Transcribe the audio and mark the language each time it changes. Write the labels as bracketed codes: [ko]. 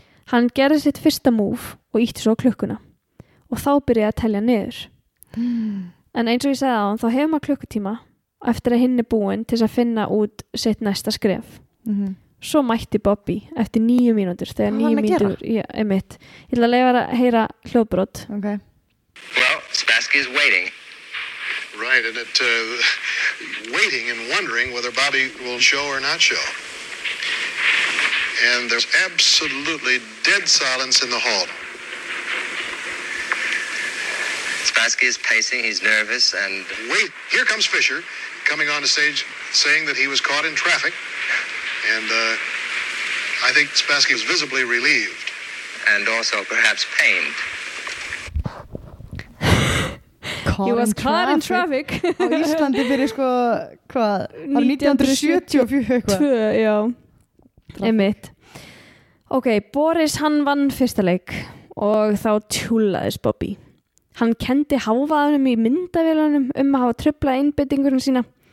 [is] Hann gerði sitt fyrsta múf og ítti svo klukkuna og þá byrjaði að telja niður. En eins og ég sagði á hann, þá hefur maður klukkutíma eftir að hinn er búin til að finna út sitt næsta skref. Svo mætti Bobby eftir 9 mínútur þegar 9 mínútur er mitt. Ég ætla að leifa að heyra hljóðbrot. Ok. [en] Well, Spassky is waiting. Right, and it's waiting and wondering whether Bobby will show or not show. And there's absolutely dead silence in the hall. Spassky is pacing, he's nervous, and... Wait, here comes Fisher coming on the stage saying that he was caught in traffic. And I think Spassky is visibly relieved. And also perhaps pained. He was caught in traffic. [is] Á Íslandi byrja sko, hvað? 1972, já. Einmitt. Ok, Boris hann vann fyrsta leik og þá tjúlaðis Bobby. Hann kendi hávaðanum í myndavélanum að hafa truflað einbeitingurinn sína.